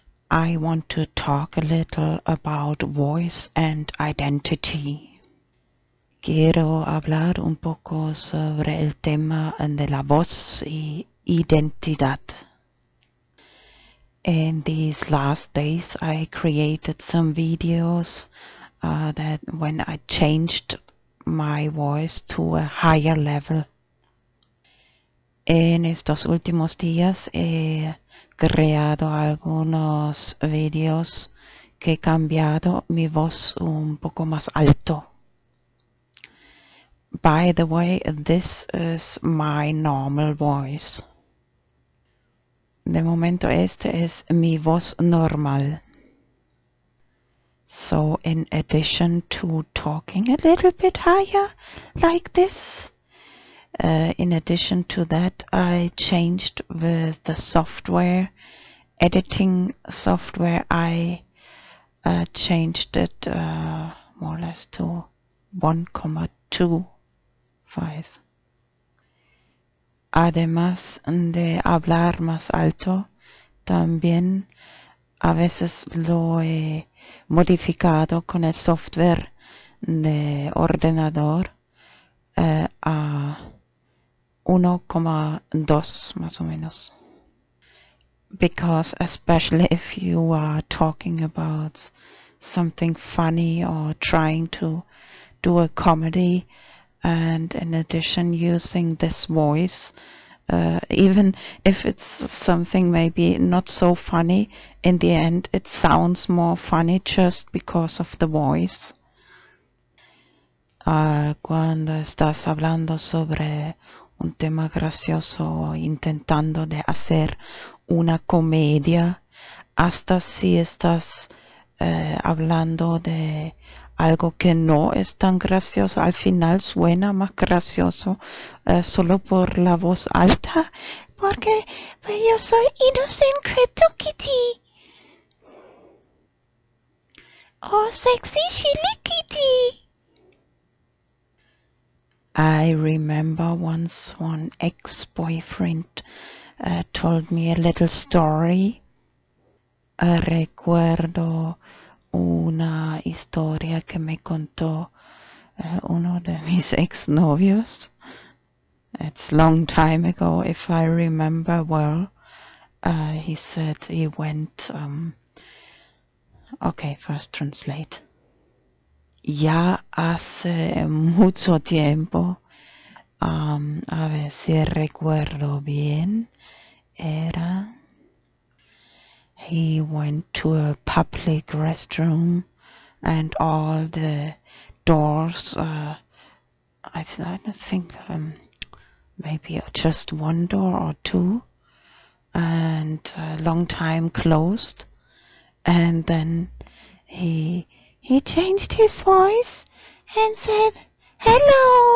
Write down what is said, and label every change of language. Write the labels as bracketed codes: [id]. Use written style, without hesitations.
[en] I want to talk a little about voice and identity. [es] Quiero hablar un poco sobre el tema de la voz y identidad. [en] In these last days, I created some videos that when I changed my voice to a higher level. [es] En estos últimos días he creado algunos videos que he cambiado mi voz un poco más alto. [en] By the way, this is my normal voice. [es] De momento este es mi voz normal. [en] So, in addition to talking a little bit higher, like this, in addition to that, I changed with the software, editing software, I changed it more or less to 1.25. [es] Además de hablar más alto, también a veces lo he modificado con el software de ordenador a 1.2 más o menos. [en] Because especially if you are talking about something funny or trying to do a comedy and in addition using this voice, even if it's something maybe not so funny, in the end it sounds more funny just because of the voice. [es] Cuando estás hablando sobre un tema gracioso o intentando de hacer una comedia, hasta si estás hablando de algo que no es tan gracioso, al final suena más gracioso solo por la voz alta. Porque yo soy Innocent Crypto Kitty. O Sexy Chili Kitty. [en] I remember once one ex-boyfriend told me a little story. [es] Recuerdo una historia que me contó uno de mis exnovios. [en] It's long time ago, if I remember well. He said he went... Okay, first translate. [es] Ya hace mucho tiempo, a ver si recuerdo bien, era... [en] He went to a public restroom and all the doors, I think maybe just one door or two, and a long time closed, and then he changed his voice and said, "Hello!"